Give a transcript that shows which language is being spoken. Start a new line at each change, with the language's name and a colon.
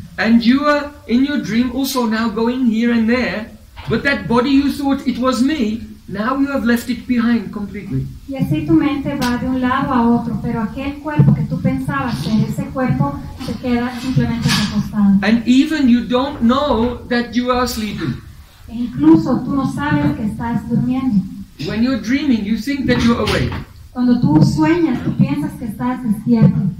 English: And you are in your dream also now going here and there, but that body you thought it was me, now you have left it behind completely.
Spanish: Y así tu mente va de un lado a otro, pero aquel cuerpo que tú pensabas ser, ese cuerpo se queda simplemente recostado.
English: And even you don't know that you are sleeping.
Spanish: E incluso tú no sabes que estás durmiendo.
English: When you're dreaming, you think that you're awake.
Spanish: Cuando tú sueñas, tú piensas que estás despierto.